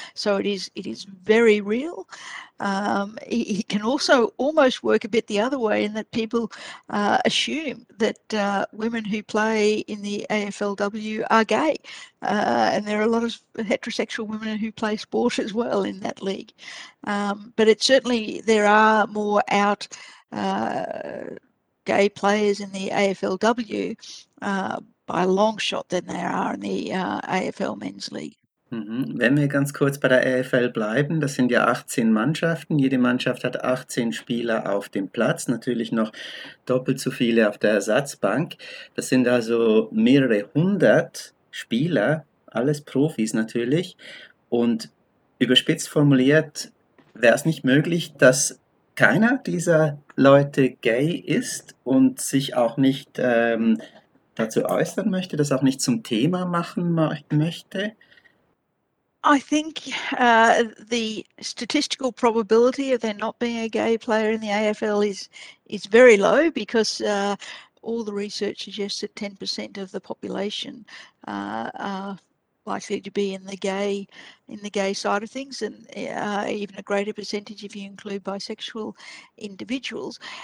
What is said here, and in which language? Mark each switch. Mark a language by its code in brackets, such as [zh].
[en] So it is very real. It can also almost work a bit the other way in that people assume that women who play in the AFLW are gay, and there are a lot of heterosexual women who play sport as well in that league. But it's certainly there are more out gay players in the AFLW by a long shot than there are in the AFL Men's League. [de] Wenn wir ganz kurz bei der AFL bleiben, das sind ja 18 Mannschaften. Jede Mannschaft hat 18 Spieler auf dem Platz, natürlich noch doppelt so viele auf der Ersatzbank. Das sind also mehrere hundert Spieler, alles Profis natürlich. Und überspitzt formuliert, wäre es nicht möglich, dass keiner dieser Leute gay ist und sich auch nicht dazu äußern möchte, das auch nicht zum Thema machen möchte? [en] I think the statistical probability of there not being a gay player in the AFL is very low because all the research suggests that 10% of the population are likely to be in the gay side of things, and even a greater percentage if you include bisexual individuals.